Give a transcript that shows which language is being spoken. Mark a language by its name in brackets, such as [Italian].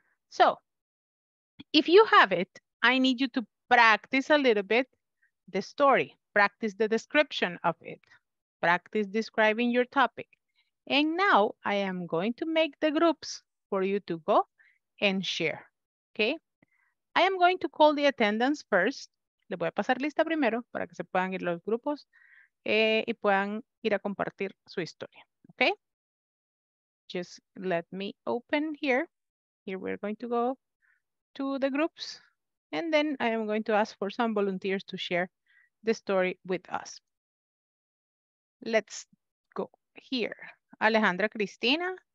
[English] So if you have it, I need you to practice a little bit the story, practice the description of it, practice describing your topic. And now I am going to make the groups for you to go and share, okay? I am going to call the attendance first. [Spanish] Le voy a pasar lista primero para que se puedan ir los grupos y puedan ir a compartir su historia, okay? [English] Just let me open here. Here we're going to go to the groups. And then I am going to ask for some volunteers to share the story with us. Let's go here. Alejandra Cristina.